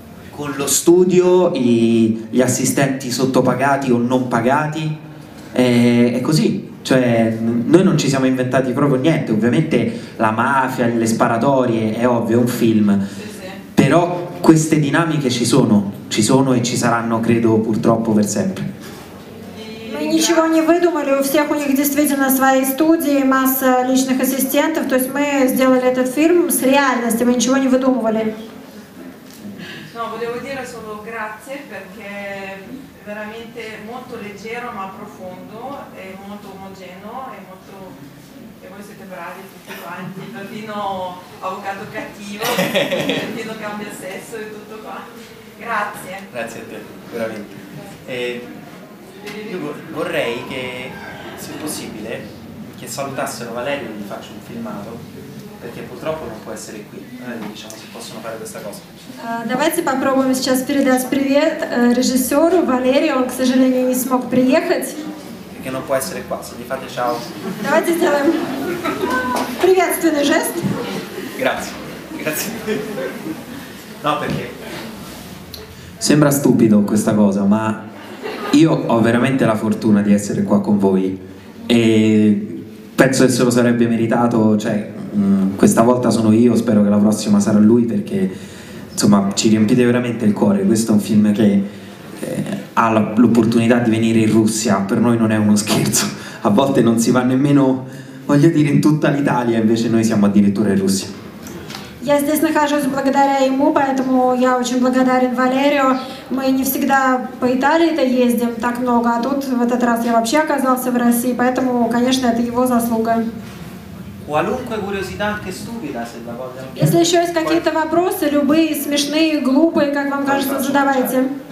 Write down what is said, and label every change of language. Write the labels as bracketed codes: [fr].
[it] Con lo studio, gli assistenti sottopagati o non pagati, è così. Cioè, noi non ci siamo inventati proprio niente, ovviamente la mafia, le sparatorie, è ovvio, è un film. Però queste dinamiche ci sono e ci saranno, credo, purtroppo per sempre. [ru] Noi ничего не выдумали, у всех у них действительно свои студии, масса личных ассистентов, то есть мы сделали этот фильм с реальностью, мы ничего не выдумывали. [it] No, volevo dire solo grazie perché veramente molto leggero ma profondo, è molto omogeneo, è molto, e voi siete bravi tutti quanti, perfino avvocato cattivo, perfino cambia sesso e tutto qua. Grazie. Grazie a te, veramente. Io vorrei che, se possibile, che salutassero Valerio e gli faccio un filmato, perché purtroppo non può essere qui, diciamo, se possono fare questa cosa. [ru] Давайте попробуем сейчас передать привет режиссеру Валерию, он, к сожалению, не смог приехать. [it] Che non può essere qua, se gli fate ciao. [ru] Давайте сделаем приветственный жест. [it] Grazie, grazie. No, perché... Sembra stupido questa cosa, ma io ho veramente la fortuna di essere qua con voi e penso che se lo sarebbe meritato, cioè questa volta sono io, spero che la prossima sarà lui, perché insomma ci riempite veramente il cuore. Questo è un film che ha l'opportunità di venire in Russia, per noi non è uno scherzo, a volte non si va nemmeno, voglio dire, in tutta l'Italia, invece noi siamo addirittura in Russia. [ru] Я здесь нахожусь благодаря ему, поэтому я очень благодарен Валерию. Мы не всегда по Италии-то ездим так много, а тут в этот раз я вообще оказался в России, поэтому, конечно, это его заслуга. Если еще есть какие-то вопросы, любые, смешные, глупые, как вам кажется, задавайте.